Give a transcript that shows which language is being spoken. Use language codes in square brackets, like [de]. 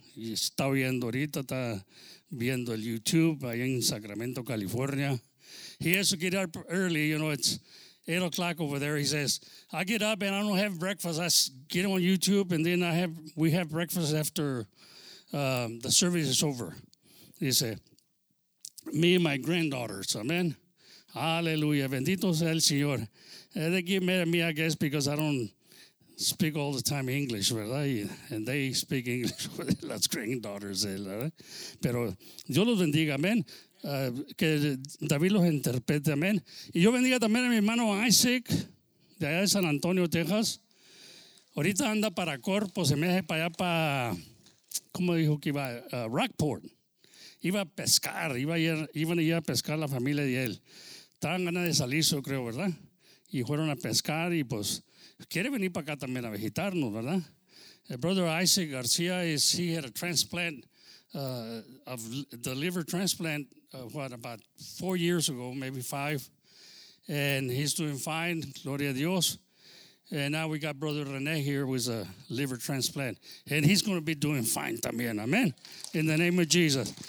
[es] Y está viendo ahorita, está viendo el YouTube ahí en Sacramento, California. [en] He has to get up early. You know, it's 8 o'clock over there. He says, I get up and I don't have breakfast. I get on YouTube and then we have breakfast after the service is over. He said, me and my granddaughters, amen. Hallelujah. [es] Bendito sea el Señor. [en] They get mad at me, I guess, because I don't speak all the time English, [es] ¿verdad? [en] And they speak English with las granddaughters, [es] ¿verdad? Pero Dios los bendiga, amen. Que David los interprete, amen. Y yo bendiga también a mi hermano Isaac, de allá de San Antonio, Texas. Ahorita anda para Corpus, se me hace para allá para, ¿cómo dijo que iba? Rockport. Iba a pescar, iban a ir a pescar la familia de él. Estaban ganas de salir, yo creo, ¿verdad? Y fueron a pescar y pues quiere venir para acá también a visitarnos, ¿verdad? El brother Isaac García, [en] he had a transplant of the liver transplant, about 4 years ago, maybe five. And he's doing fine, [es] gloria a Dios. [en] And now we got Brother Rene here with a liver transplant. And he's going to be doing fine también, amen, in the name of Jesus.